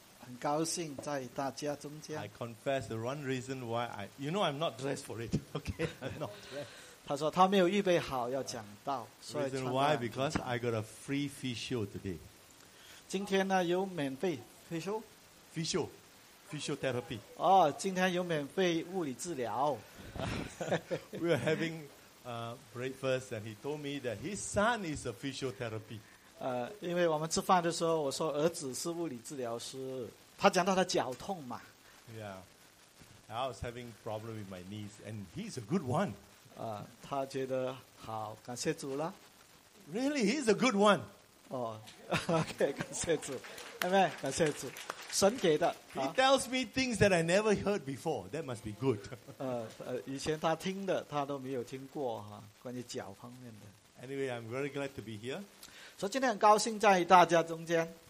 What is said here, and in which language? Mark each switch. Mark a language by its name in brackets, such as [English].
[English] I confess the one reason why I'm not dressed for it. Okay, I'm not dressed. [Chinese] 他说他没有预备好要讲道。 [English] Reason why? Because I got a free physio today. [Chinese] 今天呢有免费 physio? [English] Physio, physiotherapy. [Chinese] 哦，今天有免费物理治疗。 [English] We were having breakfast, and he told me that his son is a physiotherapy. [Chinese] 因为我们吃饭的时候，我说儿子是物理治疗师，他讲到他脚痛嘛。 [English] Yeah, I was having problem with my knees, and he's a good one. [Chinese] 他觉得好，感谢主了。 [English] Really, he's a good one. [Chinese] Oh, okay, 感谢主，阿妹，感谢主，神给的。 [English] He tells me things that I never heard before. That must be good. [Chinese] 以前他听的，他都没有听过哈，关于脚方面的。 [English] Anyway, I'm very glad to be here. [Chinese] 所以今天很高兴在大家中间。